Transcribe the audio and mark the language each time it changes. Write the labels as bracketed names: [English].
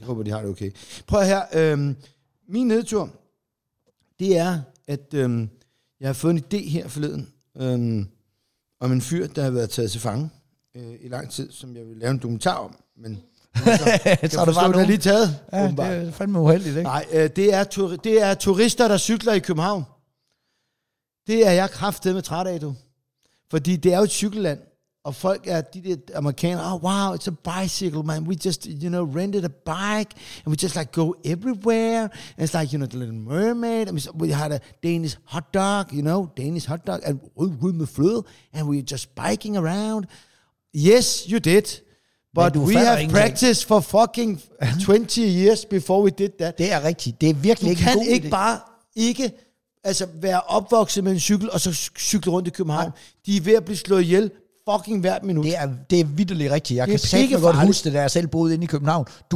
[Danish] Jeg håber, de har det okay. Prøv her. Min nedtur, det er, at jeg har fået en idé her forleden om en fyr, der har været taget til fange i lang tid, som jeg vil lave en dokumentar om. Men så forstår, det var lige taget. Ja, åbenbart. Det er fandme uheldigt, ikke? Nej, det er turister, der cykler i København. Det er jeg kraftedeme med træt af, du. Fordi det er jo et cykelland, og folk er de der amerikanere, [English] oh wow, it's a bicycle, man, we just, you know, rented a bike, and we just like go everywhere, and it's like, you know, the Little Mermaid, and we had a Danish hot dog, you know, Danish hot dog, and [Danish] rød med fløde, [English] and we're just biking around. Yes, you did. But we have practiced for fucking 20 years before we did that. [Danish] Det er rigtigt, det er virkelig ikke en god idé. Du kan ikke bare ikke... altså være opvokset med en cykel, og så cykle rundt i København. Ja. De er ved at blive slået ihjel fucking hvert minut. Det er vitterligt rigtigt. Jeg kan sikkert godt huske det, da jeg selv boede inde i København.